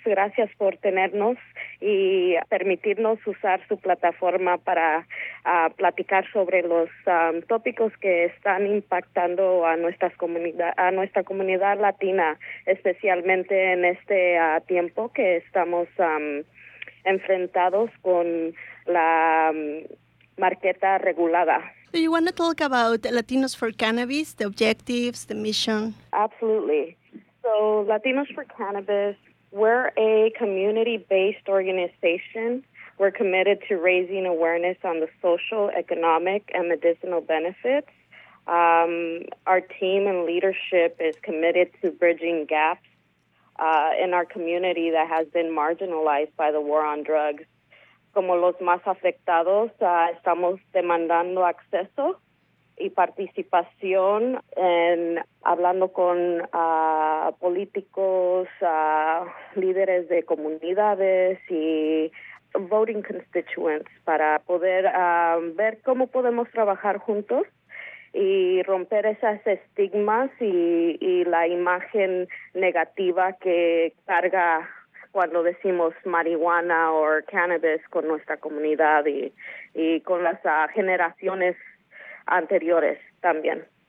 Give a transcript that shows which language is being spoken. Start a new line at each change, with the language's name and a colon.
Spanish: Gracias por tenernos y permitirnos usar su plataforma para platicar sobre los tópicos que están impactando a nuestra comunidad latina, especialmente en este tiempo que estamos enfrentados con la marqueta regulada.
English: So you want to talk about Latinos for Cannabis, the objectives, the mission? Absolutely. So Latinos for Cannabis, we're a community-based organization. We're committed to raising awareness on the social, economic, and medicinal benefits. Our team and leadership is committed to bridging gaps in our community that has been marginalized by the war on drugs.
Spanish: Como los más afectados, estamos demandando acceso y participación en hablando con políticos, líderes de comunidades y
English: voting constituents
Spanish: para poder ver cómo podemos trabajar juntos y romper esas estigmas y la imagen negativa que carga cuando decimos marihuana o cannabis con nuestra comunidad y con las generaciones anteriores también.